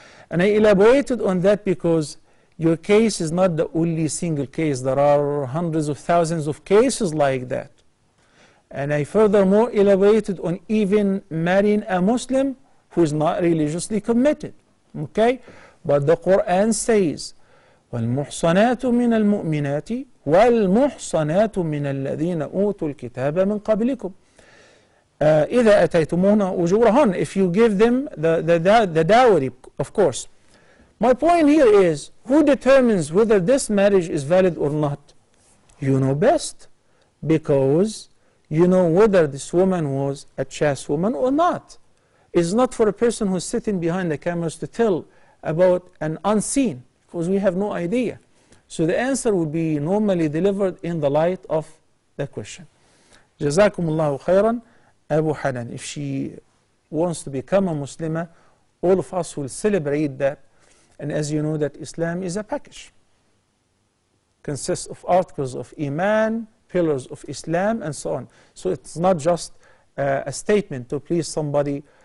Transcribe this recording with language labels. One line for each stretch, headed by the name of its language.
English: And I elaborated on that because your case is not the only single case. There are hundreds of thousands of cases like that. And I furthermore elaborated on even marrying a Muslim who is not religiously committed. Okay? But the Quran says,
Arabic: وَالْمُحْصَنَاتُ مِنَ الْمُؤْمِنَاتِ وَالْمُحْصَنَاتُ مِنَ الَّذِينَ أُوتُوا الْكِتَابَ مِنْ قَبْلِكُمْ إِذَا أَتَيْتُمُهُنَا أُجُورَهُنْ.
English: If you give them the dowry, of course. My point here is, who determines whether this marriage is valid or not? You know best, because you know whether this woman was a chaste woman or not. It's not for a person who's sitting behind the cameras to tell about an unseen, because we have no idea. So the answer would be normally delivered in the light of the question.
Arabic: جزاكم الله خيراً أبو حنان.
English: If she wants to become a Muslima, all of us will celebrate that. And as you know, that Islam is a package. Consists of articles of Iman, pillars of Islam, and so on. So it's not just a statement to please somebody.